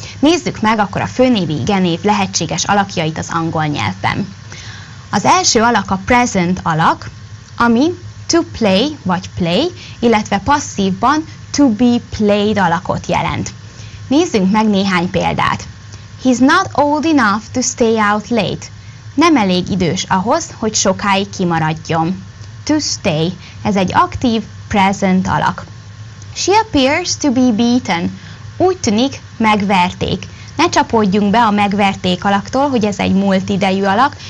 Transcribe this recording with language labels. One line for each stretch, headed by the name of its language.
Hungarian: Nézzük meg akkor a főnévi igenév lehetséges alakjait az angol nyelvben. Az első alak a present alak, ami to play vagy play, illetve passzívban to be played alakot jelent. Nézzünk meg néhány példát.
English: He's not old enough to stay out late.
Hungarian: Nem elég idős ahhoz, hogy sokáig kimaradjon. To stay. Ez egy aktív, present alak.
English: She appears to be beaten.
Hungarian: Úgy tűnik, megverték. Ne csapódjunk be a megverték alaktól, hogy ez egy múlt idejű alak.